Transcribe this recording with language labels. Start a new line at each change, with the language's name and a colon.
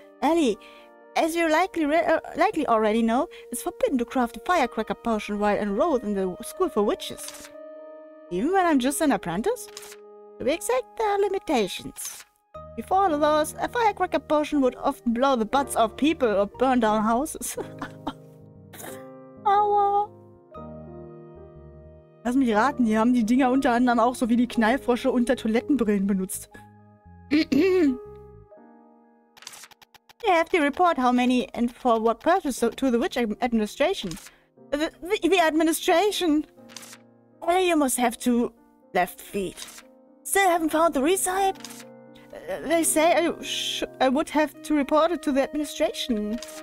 English: Ellie, as you likely already know, it's forbidden to craft a firecracker potion while enrolled in the School for Witches. Even when I'm just an apprentice? To be exact, there are limitations. Before the laws, a firecracker potion would often blow the butts off people or burn down houses.
German: Aua. Lass mich raten, die haben die Dinger unter anderem auch so wie die Knallfrosche unter Toilettenbrillen benutzt.
English: You have to report how many and for what purpose to the witch administration. The administration! Ellie, you must have two left feet. Still haven't found the recipe? They say I would have to report it to the administration.